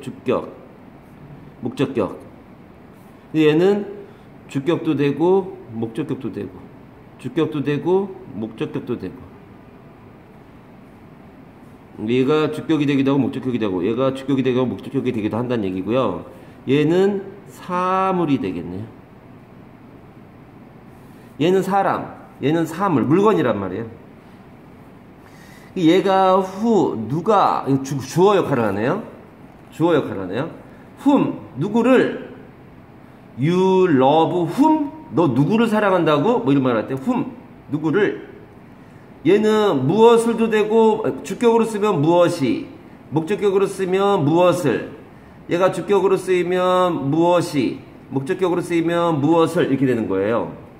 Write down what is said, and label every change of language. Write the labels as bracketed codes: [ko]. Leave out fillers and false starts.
[ko] 주격, 목적격. 얘는 주격도 되고 목적격도 되고 주격도 되고 목적격도 되고 얘가 주격이 되기도 하고 목적격이 되고 얘가 주격이 되기도 하고 목적격이 되기도 한다는 얘기고요. 얘는 사물이 되겠네요. 얘는 사람, 얘는 사물, 물건이란 말이에요. 얘가 후, 누가, 주어 역할을 하네요. 주어 역할을 하네요. [en] whom, [ko] 누구를, [en] you love whom? [ko] 너 누구를 사랑한다고? 뭐 이런 말 할 때, whom, 누구를. 얘는 무엇을도 되고, 주격으로 쓰면 무엇이, 목적격으로 쓰면 무엇을, 얘가 주격으로 쓰이면 무엇이, 목적격으로 쓰이면 무엇을, 이렇게 되는 거예요.